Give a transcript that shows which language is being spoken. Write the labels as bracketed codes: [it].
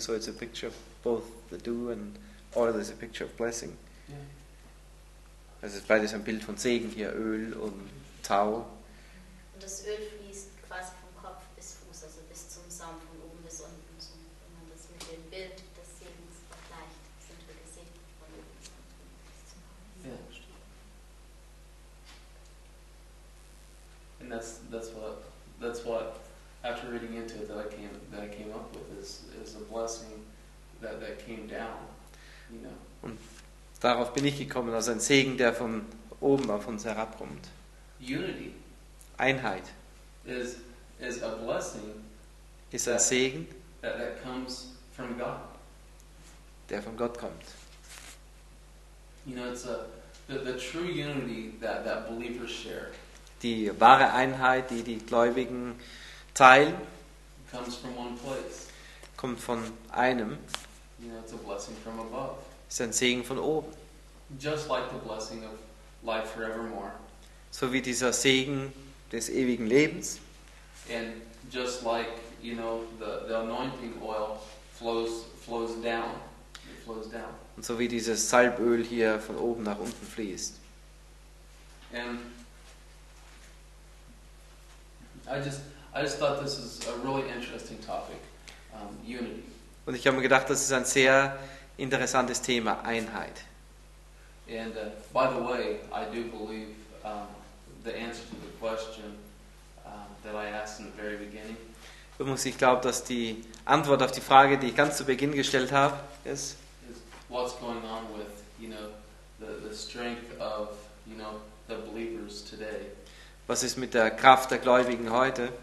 [en] So it's a picture of both the dew and oil is a picture of blessing. Yeah. [de] Also beides ein Bild von Segen hier, Öl und Tau. Und das Öl fließt quasi vom Kopf bis Fuß, also bis zum Saum, von oben bis unten. So, wenn man das mit dem Bild des Segens vergleicht, sind wir gesegnet von oben bis zum Kopf. [en] Yeah. And that's what after reading into it that I came up with is a blessing that came down, you know. [de] Und darauf bin ich gekommen, also ein Segen, der von oben auf uns herabkommt. [en] Unity. [de] Einheit. [en] Is a blessing. [de] Ist ein Segen. [en] That comes from God. [de] Der von Gott kommt. [en] You know, it's the true unity that believers share. [de] Die wahre Einheit, die die Gläubigen teilen, [en] comes from one place. [de] Kommt von einem. [en] You know, it's a blessing from above. [de] Ist ein Segen von oben. [en] Just like the blessing of life forevermore. [de] So wie dieser Segen des ewigen Lebens. [en] And just like, you know, the anointing oil flows down. It flows down. [de] Und so wie dieses Salböl hier von oben nach unten fließt. [en] And I just thought this is a really interesting topic, unity. [de] Und ich habe mir gedacht, das ist ein sehr interessantes Thema, Einheit. [en] And by the way, I do believe the answer to the question that I asked in the very beginning. [de] Übrigens, ich glaube, dass die Antwort auf die Frage, die ich ganz zu Beginn gestellt habe, ist. [en] Is what's going on with, you know, the strength of, you know, the believers today. [de] Was ist mit der Kraft der Gläubigen heute?